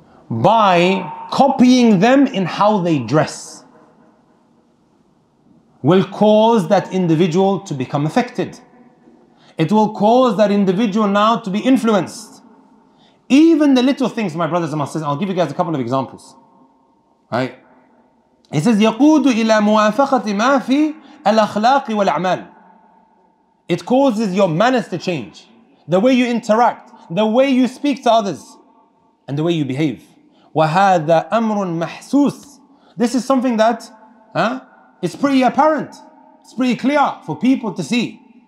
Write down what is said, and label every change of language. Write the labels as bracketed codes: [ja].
[en] By copying them in how they dress, will cause that individual to become affected. It will cause that individual now to be influenced. Even the little things, my brothers and my sisters, I'll give you guys a couple of examples. Right? He says, [ar] يَقُودُ إِلَى مُوَافَقَةِ مَا فِي الْأَخْلَاقِ وَالْأَعْمَالِ. [en] It causes your manners to change. The way you interact, the way you speak to others, and the way you behave. [ar] وَهَذَا أَمْرٌ مَحْسُوسٌ. [en] This is something that, it's pretty apparent. It's pretty clear for people to see.